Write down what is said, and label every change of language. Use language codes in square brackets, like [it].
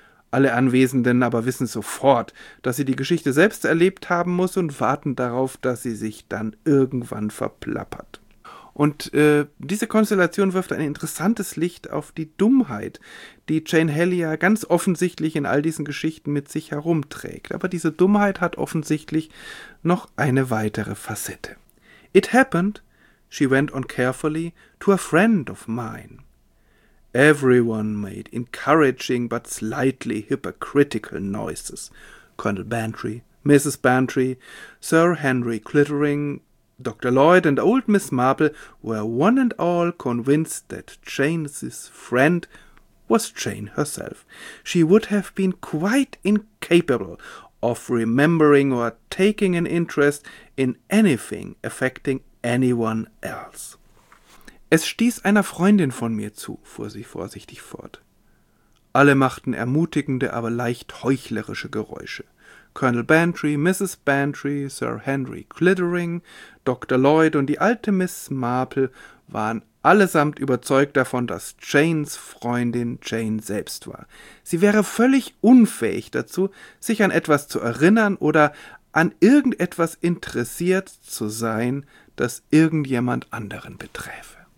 [de] Alle Anwesenden aber wissen sofort, dass sie die Geschichte selbst erlebt haben muss und warten darauf, dass sie sich dann irgendwann verplappert. Und diese Konstellation wirft ein interessantes Licht auf die Dummheit, die Jane Hellier ganz offensichtlich in all diesen Geschichten mit sich herumträgt. Aber diese Dummheit hat offensichtlich noch eine weitere Facette. [en] It happened, she went on carefully, to a friend of mine. Everyone made encouraging but slightly hypocritical noises. Colonel Bantry, Mrs. Bantry, Sir Henry Clittering, Dr. Lloyd and old Miss Marple were one and all convinced that Jane's friend was Jane herself. She would have been quite incapable of remembering or taking an interest in anything affecting anyone else. [de] Es stieß einer Freundin von mir zu, fuhr sie vorsichtig fort. Alle machten ermutigende, aber leicht heuchlerische Geräusche. Colonel Bantry, Mrs. Bantry, Sir Henry Clittering, Dr. Lloyd und die alte Miss Marple waren allesamt überzeugt davon, dass Janes Freundin Jane selbst war. Sie wäre völlig unfähig dazu, sich an etwas zu erinnern oder an irgendetwas interessiert zu sein, das irgendjemand anderen beträfe.